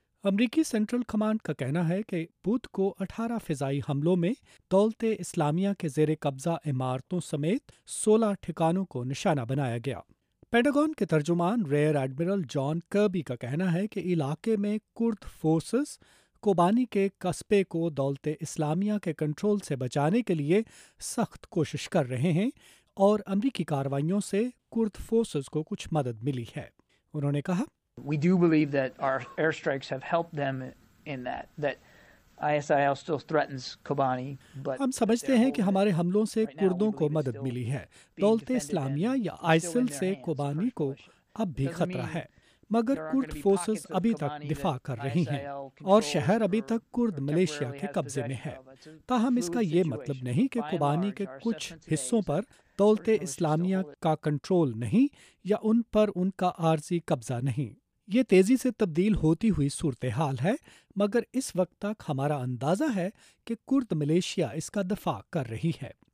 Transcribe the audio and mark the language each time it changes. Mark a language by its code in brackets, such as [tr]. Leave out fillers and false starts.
[ur] امریکی central command کا کہنا ہے کہ بدھ کو 18 فضائی حملوں میں دولت اسلامیہ کے زیر قبضہ عمارتوں سمیت 16 ٹھکانوں کو نشانہ بنایا گیا۔ پینٹاگون کے ترجمان ریئر ایڈمرل جان کربی کا کہنا ہے کہ علاقے میں کرد فورسز کوبانی کے قصبے کو دولت اسلامیہ کے کنٹرول سے بچانے کے لیے سخت کوشش کر رہے ہیں اور امریکی کاروائیوں سے کرد فورسز کو کچھ مدد ملی ہے۔ انہوں نے کہا، [en] We do believe that our airstrikes have helped them in that, that ISIL still threatens Kobani, but [ur] ہم سمجھتے ہیں کہ ہمارے حملوں سے کردوں کو مدد ملی ہے۔ دولت اسلامیہ یا ISIL سے کوبانی کو اب بھی خطرہ ہے، مگر کرد فورسز ابھی تک دفاع کر رہی ہیں اور شہر ابھی تک کرد ملیشیا کے قبضے میں ہے۔ تاہم اس کا یہ مطلب نہیں کہ کوبانی کے کچھ حصوں پر دولت اسلامیہ کا کنٹرول نہیں یا ان پر ان کا عارضی قبضہ نہیں۔ یہ تیزی سے تبدیل ہوتی ہوئی صورتحال ہے، مگر اس وقت تک ہمارا اندازہ ہے کہ کرد ملیشیا اس کا دفاع کر رہی ہے۔